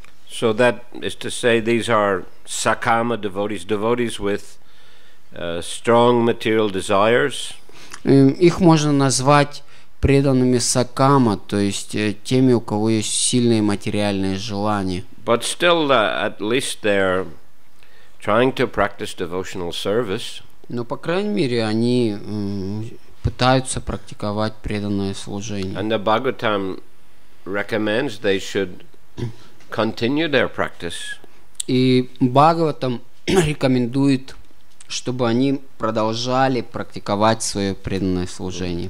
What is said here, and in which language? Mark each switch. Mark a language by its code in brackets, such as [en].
[en] So that is to say, these are sakama devotees, devotees with strong material desires. [ru] Их можно назвать преданными сакама, то есть теми, у кого есть сильные материальные желания. [en] But still, at least they're trying to practice devotional service. [ru] Но по крайней мере они пытаются практиковать преданное служение. [en] And the Bhagavatam recommends they should continue their practice. [ru] И Бхагаватам рекомендует, чтобы они продолжали практиковать свое преданное служение.